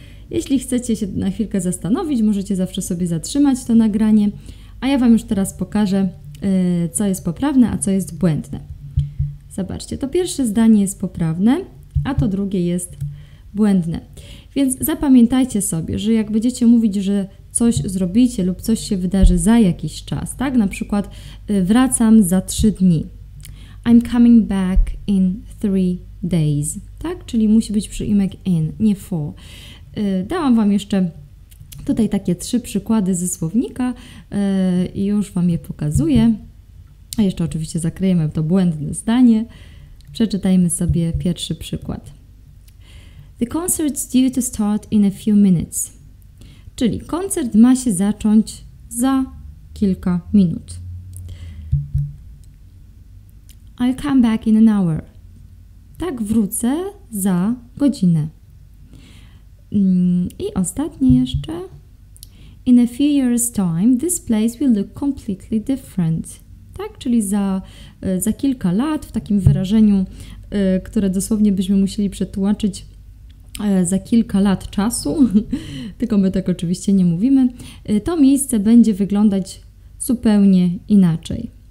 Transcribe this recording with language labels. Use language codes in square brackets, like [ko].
[pl] Jeśli chcecie się na chwilkę zastanowić, możecie zawsze sobie zatrzymać to nagranie, a ja Wam już teraz pokażę, co jest poprawne, a co jest błędne. Zobaczcie, to pierwsze zdanie jest poprawne, a to drugie jest błędne. Więc zapamiętajcie sobie, że jak będziecie mówić, że coś zrobicie lub coś się wydarzy za jakiś czas, tak? Na przykład wracam za 3 dni. [en] I'm coming back in 3 days, tak? [pl] Czyli musi być przyimek in, nie for. Dałam Wam jeszcze tutaj takie 3 przykłady ze słownika i już Wam je pokazuję. A jeszcze oczywiście zakryjemy to błędne zdanie. Przeczytajmy sobie pierwszy przykład. [en] The concert's due to start in a few minutes. [pl] Czyli koncert ma się zacząć za kilka minut. [en] I'll come back in an hour. [pl] Tak, wrócę za godzinę. I ostatnie jeszcze. [en] In a few years time, this place will look completely different. [pl] Tak, czyli za kilka lat, w takim wyrażeniu, które dosłownie byśmy musieli przetłumaczyć za kilka lat czasu, tylko my tak oczywiście nie mówimy, to miejsce będzie wyglądać zupełnie inaczej.